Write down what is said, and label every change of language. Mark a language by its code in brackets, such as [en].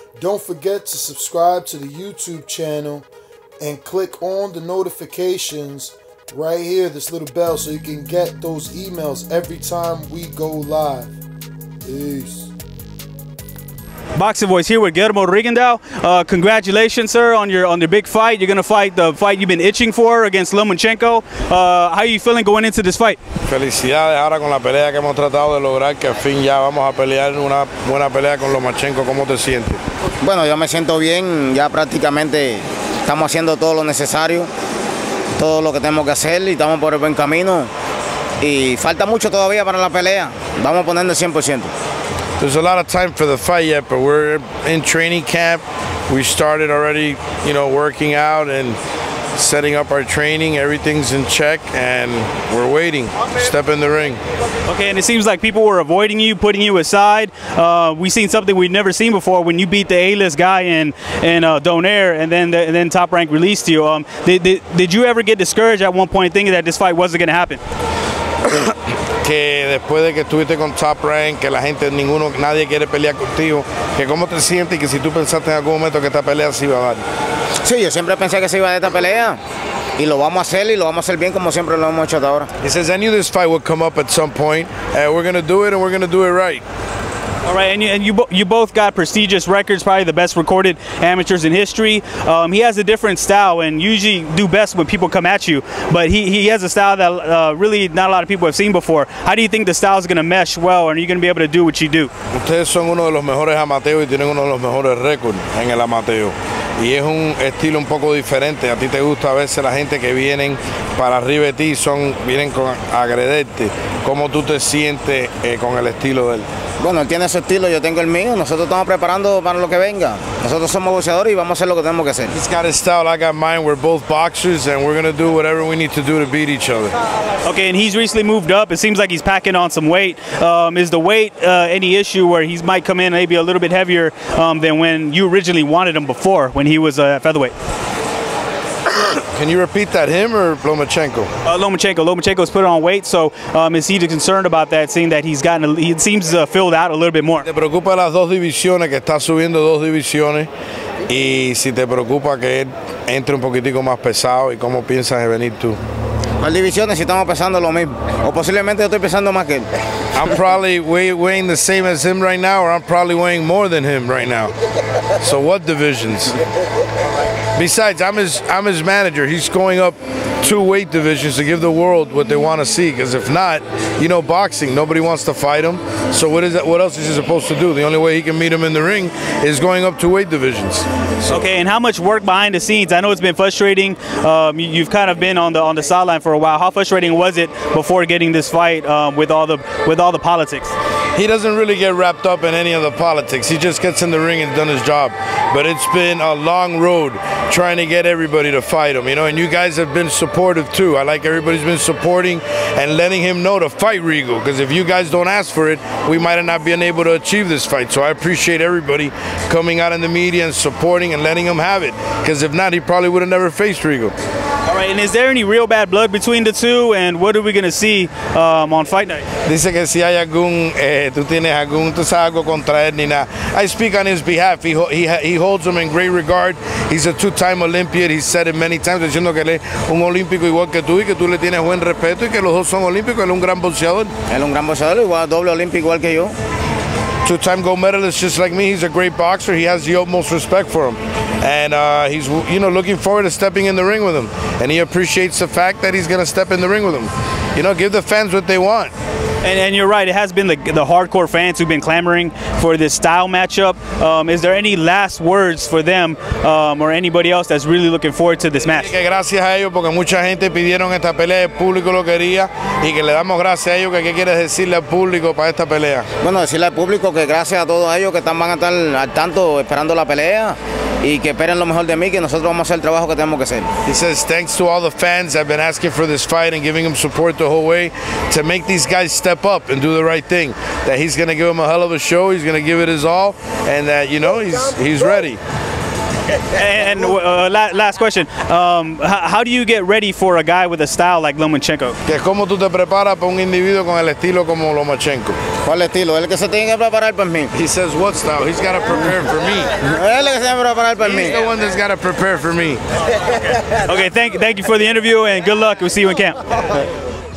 [en] Don't forget to subscribe to the YouTube channel and click on the notifications right here, this little bell, so you can get those emails every time we go live. Peace. Boxing Voice here with Guillermo Rigondeaux. Congratulations, sir, on your big fight. You're going to fight the fight you've been itching for against Lomachenko. How are you feeling going into this fight? [es] Felicidades ahora con la pelea que hemos tratado de lograr, que al fin ya vamos a pelear una buena pelea con Lomachenko. ¿Cómo te sientes? Bueno, yo me siento bien. Ya prácticamente estamos haciendo todo lo necesario, todo lo que tenemos que hacer, y estamos por el buen camino. Y falta mucho todavía para la pelea. Vamos a ponerle 100%. [en] There's a lot of time for the fight yet, but we're in training camp. We started already, you know, working out and setting up our training. Everything's in check, and we're waiting. Step in the ring. Okay, and it seems like people were avoiding you, putting you aside. We've seen something we've never seen before when you beat the A-list guy in Donaire, and then Top Rank released you. Did you ever get discouraged at one point thinking that this fight wasn't going to happen? [es] Que después de que estuviste con Top Rank, que la gente, ninguno, nadie quiere pelear contigo, que cómo te sientes y que si tú pensaste en algún momento que esta pelea se iba a dar. Sí, yo siempre pensé que se iba a dar esta pelea y lo vamos a hacer y lo vamos a hacer bien como siempre lo hemos hecho hasta ahora. [en] He says, I knew this fight would come up at some point. We're going to do it and we're going to do it right. All right, and you both got prestigious records, probably the best recorded amateurs in history. He has a different style and usually do best when people come at you, but he has a style that really not a lot of people have seen before. How do you think the style is going to mesh well, and are you going to be able to do what you do? [es] Ustedes son uno de los mejores amateurs y tienen uno de los mejores récords en el amateur. Y es un estilo un poco diferente. A ti te gusta a veces la gente que vienen para arriba de ti, vienen con agredirte. ¿Cómo tú te sientes con el estilo de él? Bueno, él tiene su estilo, yo tengo el mío. Nosotros estamos preparando para lo que venga. Nosotros somos boxeadores y vamos a hacer lo que tenemos que hacer. [en] He's got his style, I got mine. We're both boxers and we're going to do whatever we need to do to beat each other. Okay, and he's recently moved up. It seems like he's packing on some weight. Is the weight any issue where he might come in maybe a little bit heavier than when you originally wanted him before, when he was featherweight? Can you repeat that, him or Lomachenko? Lomachenko. Lomachenko's put on weight, so is he concerned about that, seeing that he's gotten, he seems filled out a little bit more? [es] Te preocupa las dos divisiones, que está subiendo dos divisiones, y si te preocupa que él entre un poquitico más pesado, y cómo piensas de venir tú? Las divisiones, si estamos pesando lo mismo, o posiblemente yo estoy pesando más que él. [en] I'm probably weighing the same as him right now, or I'm probably weighing more than him right now. So what divisions? Besides, I'm his manager. He's going up two weight divisions to give the world what they want to see. Because if not, you know, boxing, nobody wants to fight him. So what is that? What else is he supposed to do? The only way he can meet him in the ring is going up two weight divisions. So. Okay, and how much work behind the scenes? I know it's been frustrating. You've kind of been on the sideline for a while. How frustrating was it before getting this fight with all the politics? He doesn't really get wrapped up in any of the politics. He just gets in the ring and done his job. But it's been a long road trying to get everybody to fight him, you know, and you guys have been supportive too. I like everybody's been supporting and letting him know to fight Rigo, because if you guys don't ask for it, we might not have been able to achieve this fight. So I appreciate everybody coming out in the media and supporting and letting him have it, because if not, he probably would have never faced Rigo. All right, and is there any real bad blood between the two, and what are we going to see on fight night? [es] Dice que si hay algún, tú tienes algún, tú sabes algo contra él ni nada. [en] I speak on his behalf. He holds him in great regard. He's a two-time Olympian. He said it many times, [es] diciendo que él es un olímpico igual que tú y que tú le tienes buen respeto y que los dos son olímpicos. Él es un gran boxeador. Él es un gran boxeador, igual, doble olímpico igual que yo. [en] Two-time gold medalist just like me. He's a great boxer. He has the utmost respect for him. And he's, you know, looking forward to stepping in the ring with him. And he appreciates the fact that he's going to step in the ring with him. You know, give the fans what they want. And you're right, it has been the hardcore fans who've been clamoring for this style matchup. Is there any last words for them or anybody else that's really looking forward to this match? [es] Gracias a ellos, porque mucha gente pidieron esta pelea, el público lo quería, y que le damos gracias a ellos, que qué quieres decirle al público para esta pelea. Bueno, decirle al público que gracias a todos ellos que van a estar al tanto esperando la pelea. Y que esperen lo mejor de mí, que nosotros vamos a hacer el trabajo que tenemos que hacer. [en] He says, thanks to all the fans that have been asking for this fight and giving him support the whole way to make these guys step up and do the right thing. That he's going to give them a hell of a show, he's going to give it his all, and that, you know, he's ready. And last question. How do you get ready for a guy with a style like Lomachenko? [es] ¿Que cómo tú te preparas para un individuo con el estilo como Lomachenko? ¿Cuál estilo? El que se tiene que preparar para mí. [en] He says what style? He's got to prepare for me. [es] El que se tiene que preparar para mí. [en] He's the one that's got to prepare for me. Okay, thank you for the interview and good luck. We'll see you in camp.